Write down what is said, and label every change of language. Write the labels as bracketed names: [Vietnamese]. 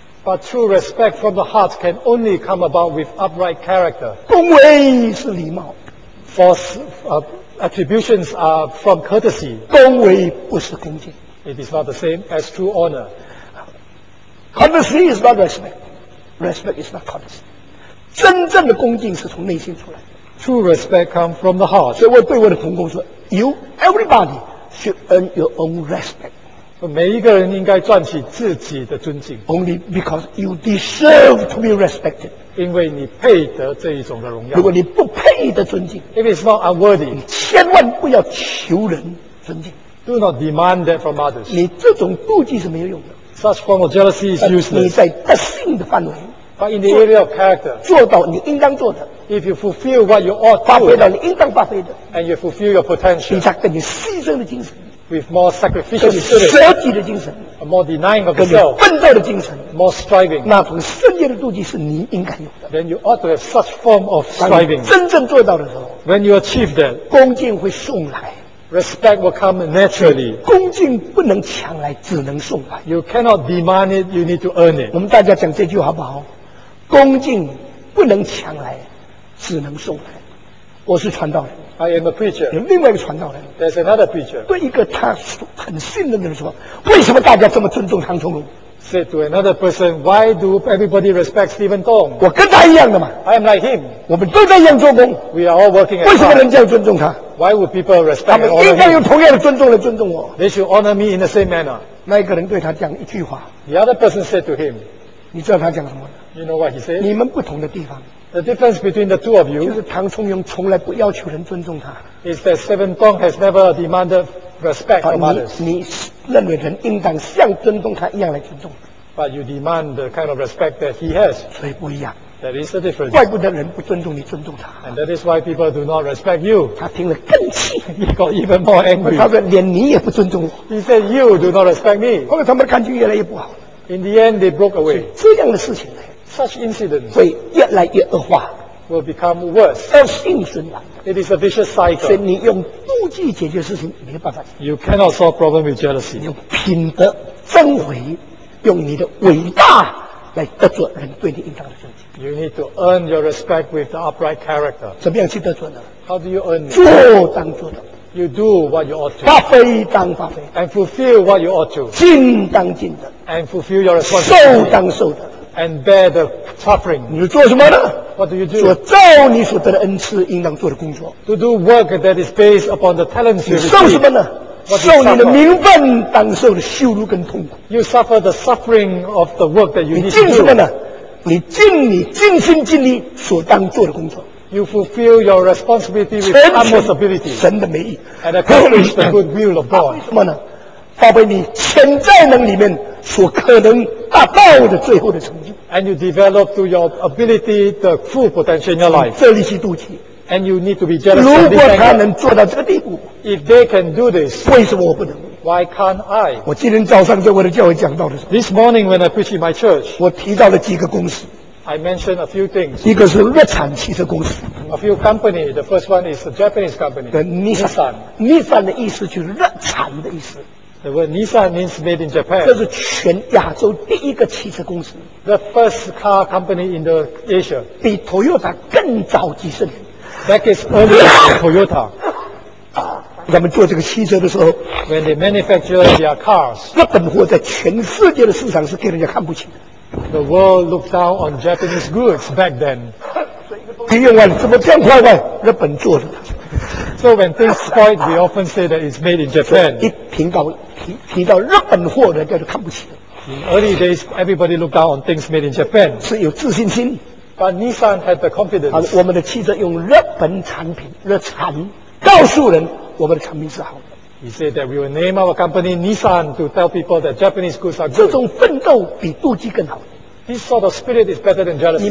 [English] But true respect from the heart can only come about with upright character. [Chinese] 恭维是礼貌。 [English] False attributions are from courtesy. [Chinese] 恭维不是恭敬。 [English] It is not the same as true honor. Courtesy is not respect. Respect is not courtesy. [Chinese] 真正的恭敬是从内心出来的。 [English] True respect comes from the heart. [Chinese] 所以我对我的同工说 [English] ,You, everybody, should earn your own respect. [Chinese] 每一个人应该赚取自己的尊敬。 [English] Only because you deserve to be respected. [Chinese] 因为你配得这一种的荣耀。如果你不配得尊敬 [English] ,If it's not unworthy, [Chinese] 你千万不要求人尊敬。 [English] Do not demand that from others. [Chinese] 你这种妒忌是没有用的。 [English] Such form of jealousy is useless. [Chinese] 你在德性的范围。 [English] But in the area of character. [Chinese] 做到你应当做的。 [English] If you fulfill what you ought to do. [Chinese] 发挥到你应当发挥的。 [English] And you fulfill your potential. [Chinese] 你才跟你牺牲的精神。 [English] With more sacrificial spirit. [Chinese] 跟你舍己的精神。 [English] A more denying of yourself. [Chinese] 跟你奋斗的精神。 [English] More striving. [Chinese] 那种圣洁的妒忌是你应该有的。 [English] Then you ought to have such form of striving. [Chinese] 真正做到的时候。 [English] When you achieve that. [Chinese] 恭敬会送来。 [English] Respect will come naturally. [Chinese] 恭敬不能抢来，只能送来。 [English] You cannot demand it, you need to earn it. [Chinese] 我们大家讲这句好不好？恭敬不能抢来，只能送来。我是传道人。 [English] I am a preacher. [Chinese] 有另外一个传道人。 [English] There's another preacher. [Chinese] 对一个他很信任的人说，为什么大家这么尊重唐崇荣？ [English] Said to another person, why do everybody respect Stephen Tong? [Chinese] 我跟他一样的嘛。 [English] I am like him. [Chinese] 我们都在一样做工。 [English] We are all working at home. [Chinese] 为什么人家要尊重他？ [English] Why would people respect and honor him? [Chinese] 他们应该用同样的尊重来尊重我。 [English] They should honor me in the same manner. [Chinese] 那一个人对他讲一句话。 [English] The other person said to him, [Chinese] 你知道他讲什么？ [English] You know what he said? [Chinese] 你们不同的地方。 [English] The difference between the two of you. [Chinese] 就是唐崇荣从来不要求人尊重他。 [English] Is that Stephen Tong has never demanded respect from others. [Chinese] 你认为人应当像尊重他一样来尊重。 [English] But you demand the kind of respect that he has. [Chinese] 所以不一样。 [English] That is the difference. [Chinese] 怪不得人不尊重你，尊重他。 [English] And that is why people do not respect you. [Chinese] 他听了更气。 [English] He got even more angry. [Chinese] 他说连你也不尊重我。 [English] He said you do not respect me. [Chinese] 后来他们的感情越来越不好。 [English] In the end, they broke away. [Chinese] 这样的事情呢？ [English] Such incidents [Chinese] 会越来越恶化 [English] ，will become worse， [Chinese] 恶性循环。 [English] It is a vicious cycle。 [Chinese] 所以你用妒忌解决事情没办法。 [English] You cannot solve problem with jealousy。 [Chinese] 用品德真伪，用你的伟大来得罪人对你应当的尊敬。 [English] You need to earn your respect with the upright character。 [Chinese] 怎么样去得罪呢 [English] ？How do you earn？ [Chinese] 做当做的。 [English] You do what you ought to。 [Chinese] 发挥当发挥。 [English] And fulfill what you ought to。 [Chinese] 尽当尽的。 [English] And fulfill your responsibility。 [Chinese] 受当受的。 [English] And bear the suffering. [Chinese] 你做什么呢？ [English] What do you do? [Chinese] 做照你所得的恩赐应当做的工作。 [English] To do work that is based upon the talents you receive. [Chinese] 受什么呢？ [English] What [Chinese] 受你的名分当受的羞辱跟痛苦。 [English] You suffer the suffering of the work that you need to do. [Chinese] 你尽什么呢？你尽你尽心尽力所当做的工作。 [English] You fulfill your responsibility with utmost ability. [Chinese] 神的美意。 [English] And accomplish the good will of God. [Chinese] 为什么呢？发挥你潜在能里面所可能达到的最后的成就。 [English] And you develop to your ability the full potential in your life. [Chinese] 这里是妒忌。 [English] And you need to be jealous. [Chinese] 如果他能做到这个地步， [English] If they can do this, [Chinese] 为什么我不能？ [English] Why can't I? [Chinese] 我今天早上在我的教会讲到的时候， [English] This morning when I preach in my church, [Chinese] 我提到了几个公司。 [English] I mentioned a few things. [Chinese] 一个是日产汽车公司。 [English] A few company. The first one is a Japanese company. Nissan. [Chinese] Nissan 的意思就是日产的意思。 [English] The word Nissan means made in Japan. [Chinese] 这是全亚洲第一个汽车公司。 [English] The first car company in the Asia. [Chinese] 比 Toyota 更早几十年。 [English] That is earlier than Toyota. [Chinese] 他们做这个汽车的时候 [English] ，When they manufacture their cars, [Chinese] 日本货在全世界的市场是给人家看不起的。 [English] The world looked down on Japanese goods back then. [Chinese] 你用完怎么这样快呢？日本做的。 [English] So when things spoil, we often say that it's made in Japan. [Chinese] 一提到日本货，人家就看不起了。 [English] In early days, everybody looked down on things made in Japan. [Chinese] 是有自信心。 [English] But Nissan had the confidence. [Chinese] 我们的汽车用日本产品，日产，告诉人我们的产品是好的。 [English] He said that we will name our company Nissan to tell people that Japanese goods are good. [Chinese] 这种奋斗比妒忌更好。 [English] This sort of spirit is better than jealousy.